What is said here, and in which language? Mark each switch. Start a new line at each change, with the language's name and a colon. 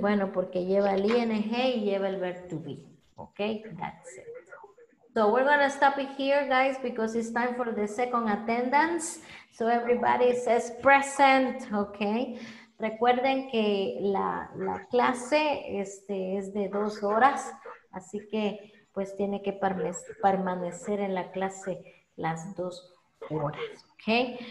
Spanish: Bueno, porque lleva el ing y lleva el verb to be.
English: Okay. That's it. So we're going to stop it here, guys, because it's time for the second attendance. So everybody says present, okay?
Spanish: Recuerden que la clase es de dos horas, así que pues tiene que permanecer en la clase las dos horas, okay?